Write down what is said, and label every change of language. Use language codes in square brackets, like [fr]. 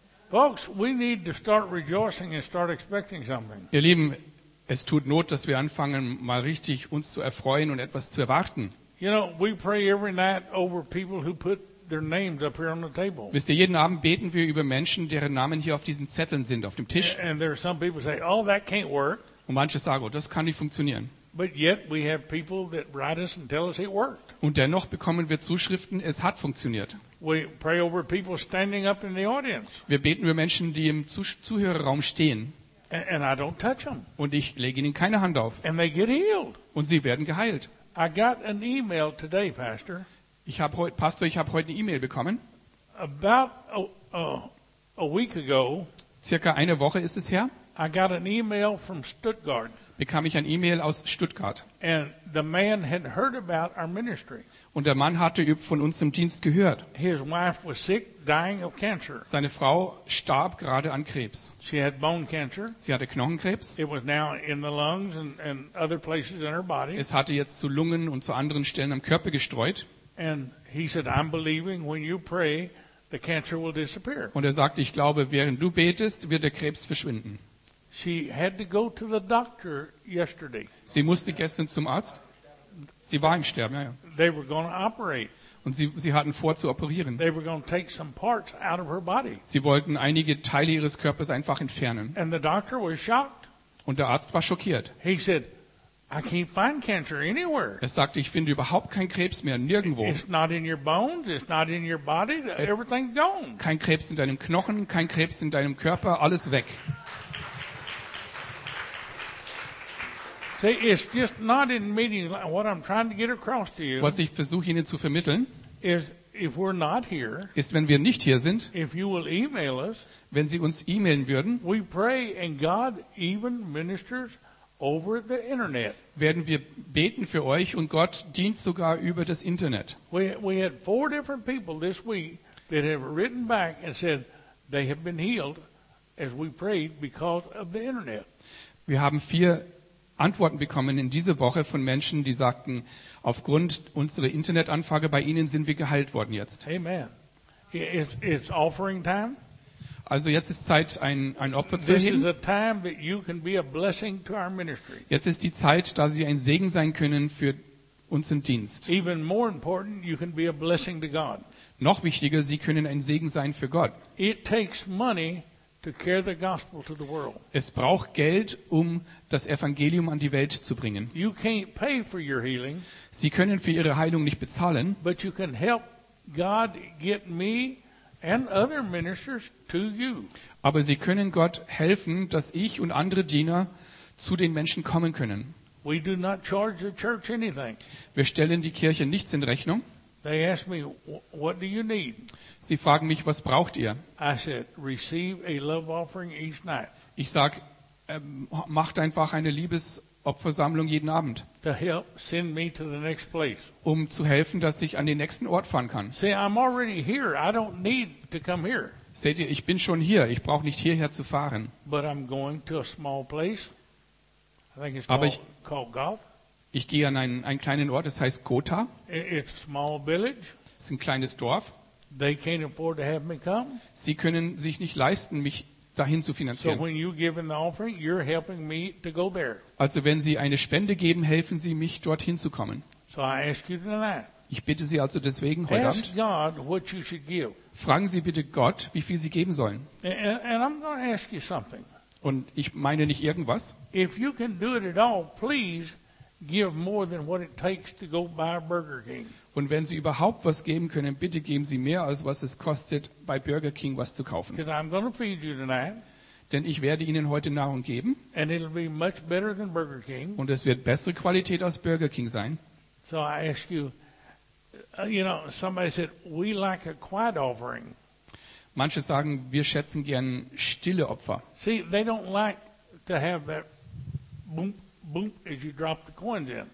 [en] Folks, we need to start rejoicing and start expecting something. [de] Ihr Lieben, es tut Not, dass wir anfangen, mal richtig uns zu erfreuen und etwas zu erwarten. [en] You know, we pray every night over people who put their names up here on the table. [de] Wisst ihr, jeden Abend beten wir über Menschen, deren Namen hier auf diesen Zetteln sind, auf dem Tisch. [en] And there are some people say, oh, that can't work. [de] Und manche sagen, oh, das kann nicht funktionieren. [en] But yet we have people that write us and tell us it worked. [de] Und dennoch bekommen wir Zuschriften, es hat funktioniert. [en] We pray over people standing up in the audience. [de] Wir beten über Menschen, die im Zuhörerraum stehen. [en] And I don't touch them. [de] Und ich lege ihnen keine Hand auf. [en] And they get healed. [de] Und sie werden geheilt. [en] I got an email today, Pastor. [de] Ich habe heute eine E-Mail bekommen. [en] About a week ago, [de] circa eine Woche ist es her. [en] I got an email from Stuttgart. [de] Bekam ich ein E-Mail aus Stuttgart. [en] And the man had heard about our ministry. [de] Und der Mann hatte von uns im Dienst gehört. [en] His wife was sick, dying of cancer. [de] Seine Frau starb gerade an Krebs. [en] She had bone cancer. [de] Sie hatte Knochenkrebs. [en] It was now in the lungs and other places in her body. [de] Es hatte jetzt zu Lungen und zu anderen Stellen am Körper gestreut. [en] And he said, I'm believing when you pray, the cancer will disappear. [de] Und er sagte, ich glaube, während du betest, wird der Krebs verschwinden. [en] She had to go to the doctor yesterday. [de] Sie musste gestern zum Arzt. Sie war im Sterben, ja. [en] They were going to operate. [de] Und sie hatten vor zu operieren. [en] They were going to take some parts out of her body. [de] Sie wollten einige Teile ihres Körpers einfach entfernen. [en] And the doctor was shocked. [de] Und der Arzt war schockiert. [en] He said, I can't find cancer anywhere. [de] Er sagte, ich finde überhaupt keinen Krebs mehr, nirgendwo. [en] It's not in your bones, it's not in your body, everything's gone. [de] Kein Krebs in deinem Knochen, kein Krebs in deinem Körper, alles weg. [en] See, it's just not in meetings. What I'm trying to get across to you, [de] was ich versuche Ihnen zu vermitteln, [en] is if we're not here, [de] ist, wenn wir nicht hier sind, [en] if you will email us, [de] wenn Sie uns e-mailen würden, [en] we pray and God even ministers over the internet. [de] Werden wir beten für euch und Gott dient sogar über das Internet. [en] We had four different people this week that have written back and said they have been healed as we prayed because of the internet. [de] Wir haben vier Antworten bekommen in dieser Woche von Menschen, die sagten, aufgrund unserer Internetanfrage bei Ihnen sind wir geheilt worden jetzt. [en] Amen. It's offering time. [de] Also jetzt ist Zeit, ein Opfer zu erheben. [en] This is a time that you can be a blessing to our ministry. [de] Jetzt ist die Zeit, da Sie ein Segen sein können für unseren Dienst. [en] Even more important, you can be a blessing to God. [de] Noch wichtiger, Sie können ein Segen sein für Gott. [en] It takes money to carry the gospel to the world. [de] Es braucht Geld, um das Evangelium an die Welt zu bringen. [en] You can't pay for your healing. [de] Sie können für Ihre Heilung nicht bezahlen. [en] But you can help God get me and other ministers to you. [de] Aber Sie können Gott helfen, dass ich und andere Diener zu den Menschen kommen können. [en] We do not charge the church anything. [de] Wir stellen die Kirche nichts in Rechnung. [en] They ask me, what do you need? [de] Sie fragen mich, was braucht ihr? [en] I said, receive a love offering each night. [de] Ich sage, macht einfach eine Liebesopfersammlung jeden Abend. [en] To help send me to the next place. [de] Um zu helfen, dass ich an den nächsten Ort fahren kann. [en] See, I'm already here. I don't need to come here. [de] Seht ihr, ich bin schon hier. Ich brauche nicht hierher zu fahren. [en] But I'm going to a small place. I think it's called Goth. [de] Ich gehe an einen kleinen Ort, das heißt Gotha. [en] It's a small village. [de] Es ist ein kleines Dorf. [en] They can't afford to have me come. [de] Sie können sich nicht leisten, mich dahin zu finanzieren. [en] So when you give an offering, you're helping me to go there. [de] Also wenn Sie eine Spende geben, helfen Sie mich, dorthin zu kommen. [en] So I ask you tonight, [de] ich bitte Sie also deswegen heute [en] ask [de] Abend, [en] God what you should give. [de] Fragen Sie bitte Gott, wie viel Sie geben sollen. [en] And I'm going to ask you something. [de] Und ich meine nicht irgendwas. [en] If you can do it at all, please give more than what it takes to go buy a Burger King. [de] Und wenn Sie überhaupt was geben können, bitte geben Sie mehr als was es kostet, bei Burger King was zu kaufen. [en] Because I'm going to feed you tonight. [de] Denn ich werde Ihnen heute Nahrung geben. [en] And it'll be much better than Burger King. [de] Und es wird bessere Qualität als Burger King sein. [en] So I ask you, You know, somebody said, we like a quiet offering. [de] Manche sagen, wir schätzen gern stille Opfer. [en] See, they don't like to have that boom, boom as you drop the coins in.